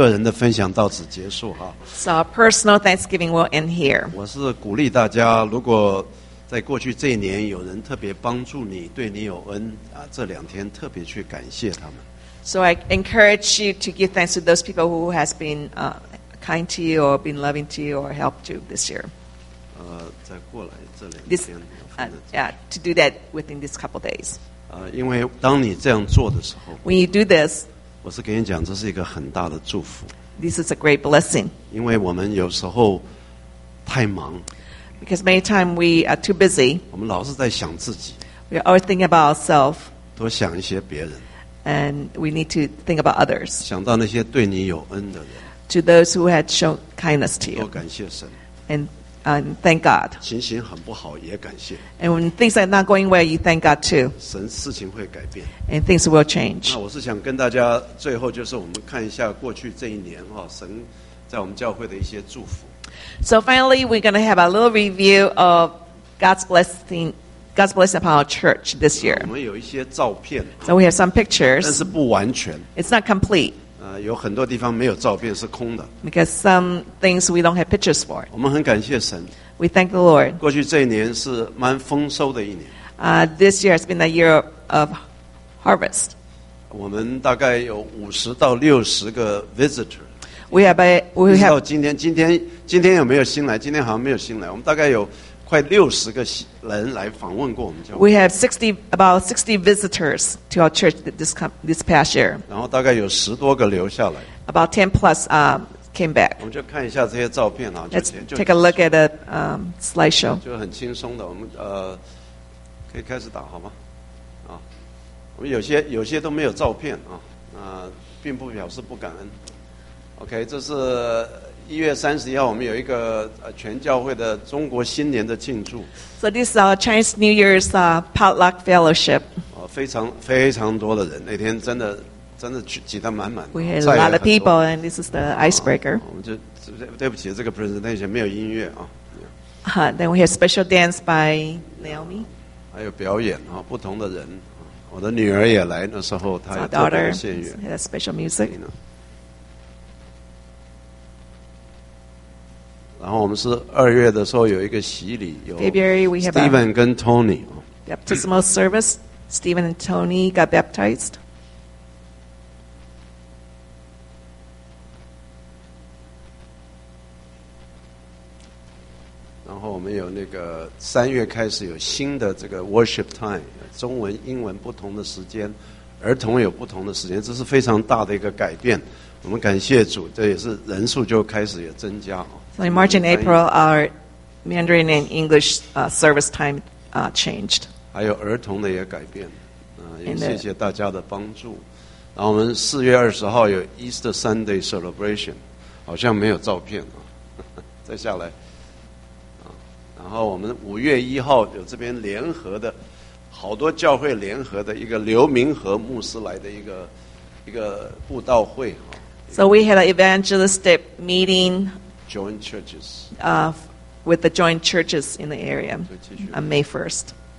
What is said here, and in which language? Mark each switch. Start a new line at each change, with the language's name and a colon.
Chinese: 我想我们今天的个人的分享到此结束哈。So
English: our personal Thanksgiving will end here.
Chinese: 我是鼓励大家，如果在过去这一年有人特别帮助你，对你有恩，这两天特别去感谢他们。So
English: I encourage you to give thanks to those people who has been kind to you or been loving to you or helped you this year.
Chinese: 再过来这两天，这样。
English: To do that within this couple days.
Chinese: 因为当你这样做的时候
English: ，When you do this.
Chinese: 我是跟你讲，这是一个很大的祝福。This
English: is a great blessing.
Chinese: 因为我们有时候太忙。Because
English: many times we are too busy.
Chinese: 我们老是在想自己。We
English: are always thinking about ourselves.
Chinese: 多想一些别人。And
English: we need to think about others.
Chinese: 想到那些对你有恩的人。To
English: those who had shown kindness to you.
Chinese: 多感谢神。And
English: thank God.
Chinese: 情形很不好也感谢。And
English: when things are not going well, you thank God too.
Chinese: 神事情会改变。And
English: things will change.
Chinese: 那我是想跟大家最后就是我们看一下过去这一年神在我们教会的一些祝福。So
English: finally, we're going to have a little review of God's blessing upon our church this year.
Chinese: 我们有一些照片。So
English: we have some pictures.
Chinese: 但是不完全。It's
English: not complete.
Chinese: 有很多地方没有照片是空的。
English: Because some things we don't have pictures for.
Chinese: 我们很感谢神。
English: We thank the Lord.
Chinese: 过去这一年是蛮丰收的一年。
English: This year has been a year of harvest.
Chinese: 我们大概有50-60个 visitor.
English: We have.
Chinese: 今天有没有新来？今天好像没有新来。我们大概有快60个人来访问过我们教会。
English: We have about 60 visitors to our church this past year.
Chinese: 然后大概有10多个留下来。
English: About 10 plus came back.
Chinese: 我们就看一下这些照片啊。
English: Let's take a look at a slideshow.
Chinese: 就很轻松的，我们可以开始打好吗？我们有些都没有照片啊，那并不表示不感恩。 OK， 这是1月31号，我们有一个全教会的中国新年的庆祝。
English: So this is our Chinese New Year's potluck fellowship.
Chinese: 非常多的人，那天真的挤得满满。
English: We had a lot of people, and this is the icebreaker.
Chinese: 我们就对不起，这个 presentation 没有音乐啊。
English: Then we have special dance by Naomi.
Chinese: 还有表演啊，不同的人。我的女儿也来，那时候她也特别献乐。
English: Had special music.
Chinese: 然后我们是2月的时候有一个洗礼，有
English: February we have
Chinese: Stephen 跟 Tony
English: baptismal service. Stephen and Tony got baptized.
Chinese: 然后我们有那个3月开始有新的这个 worship time。中文、英文不同的时间，儿童有不同的时间，这是非常大的一个改变。我们感谢主，这也是人数就开始也增加。
English: So in March and April, our Mandarin and English service time changed.
Chinese: 还有儿童的也改变，也谢谢大家的帮助。然后我们4月20号有
English: Easter Sunday celebration，
Chinese: 好像没有照片啊。再下来，然后我们5月1号有这边联合的。好多教会联合的一个刘明和牧师来的一个布道会。
English: So we had an evangelistic meeting. Joint churches. With the joint churches in the area on May 1st.